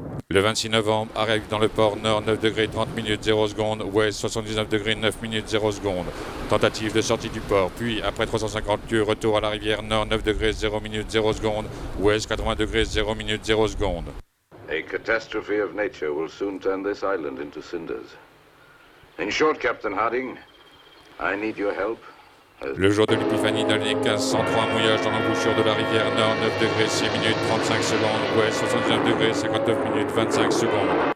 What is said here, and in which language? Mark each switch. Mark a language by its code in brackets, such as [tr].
[fr] Le 26 novembre, arrive dans le port nord, 9 degrés 30 minutes 0 secondes, ouest 79 degrés 9 minutes 0 secondes. Tentative de sortie du port, puis après 350 lieues, retour à la rivière nord, 9 degrés 0 minutes 0 secondes, ouest 80 degrés 0 minutes 0 secondes. [en] A catastrophe of nature will soon turn this island into cinders. In short, Captain Harding, I need your help. [fr] Le jour de l'épiphanie de l'année 1503, mouillage dans l'embouchure de la rivière nord, 9 degrés 6 minutes 35 secondes, ouest 69 degrés 59 minutes 25 secondes.